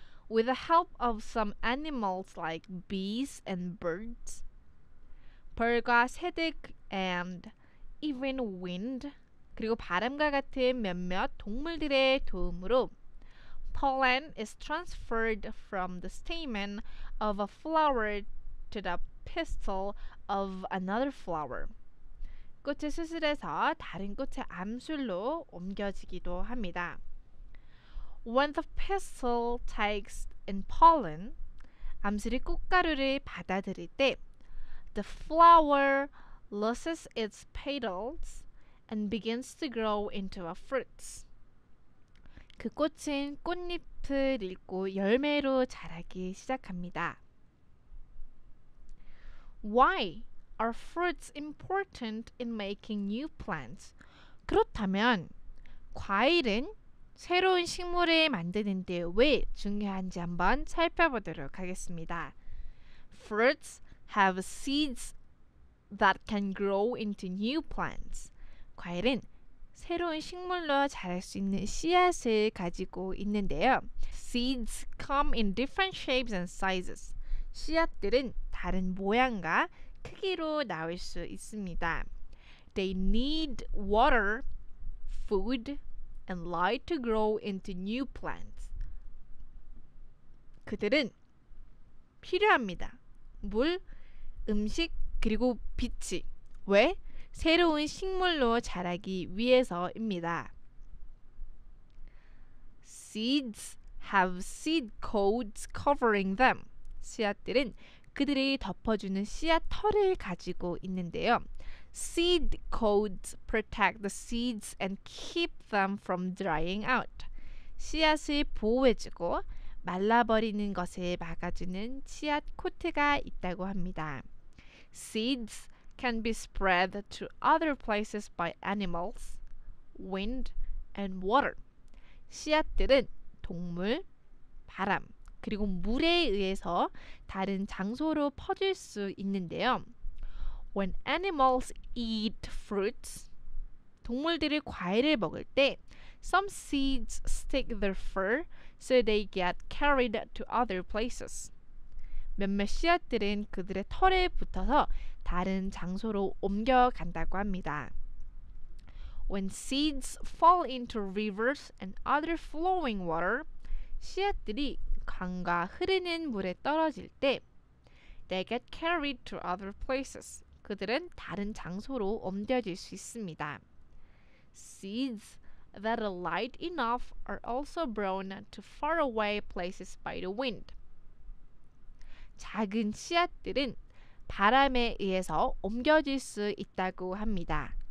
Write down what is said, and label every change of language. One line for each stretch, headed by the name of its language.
English: With the help of some animals like bees and birds,
Korean: 벌과 새들
English: and even wind,
Korean: 그리고 바람과 같은 몇몇 동물들의 도움으로
English: pollen is transferred from the stamen of a flower to the pistil of another flower.
Korean: 꽃의 수술에서 다른 꽃의 암술로 옮겨지기도 합니다.
English: When the pistil takes in pollen,
Korean: 암술이 꽃가루를 받아들일 때,
English: the flower loses its petals and begins to grow into a fruit.
Korean: 그 꽃은 꽃잎을 잃고 열매로 자라기 시작합니다.
English: Why are fruits important in making new plants?
Korean: 그렇다면 과일은 새로운 식물을 만드는 데 왜 중요한지 한번 살펴보도록 하겠습니다.
English: Fruits have seeds that can grow into new plants.
Korean: 과일은 새로운 식물로 자랄 수 있는 씨앗을 가지고 있는데요.
English: Seeds come in different shapes and sizes.
Korean: 씨앗들은 다른 모양과 크기로 나올 수 있습니다.
English: They need water, food, and light to grow into new plants.
Korean: 그들은 필요합니다. 물, 음식, 그리고 빛이. 왜? 새로운 식물로 자라기 위해서입니다.
English: Seeds have seed coats covering them.
Korean: 씨앗들은 그들이 덮어주는 씨앗 털을 가지고 있는데요.
English: Seed coats protect the seeds and keep them from drying out.
Korean: 씨앗을 보호해주고 말라버리는 것을 막아주는 씨앗 코트가 있다고 합니다.
English: Seeds can be spread to other places by animals, wind, and water.
Korean: 씨앗들은 동물, 바람, 그리고 물에 의해서 다른 장소로 퍼질 수 있는데요.
English: When animals eat fruits,
Korean: 동물들이 과일을 먹을 때,
English: some seeds stick their fur so they get carried to other places.
Korean: 몇몇 씨앗들은 그들의 털에 붙어서 다른 장소로 옮겨간다고 합니다.
English: When seeds fall into rivers and other flowing water,
Korean: 씨앗들이 강과 흐르는 물에 떨어질 때,
English: they get carried to other places.
Korean: 그들은 다른 장소로 옮겨질 수 있습니다.
English: Seeds that are light enough are also blown to faraway places by the wind.
Korean: 작은 씨앗들은 바람에 의해서 옮겨질 수 있다고 합니다.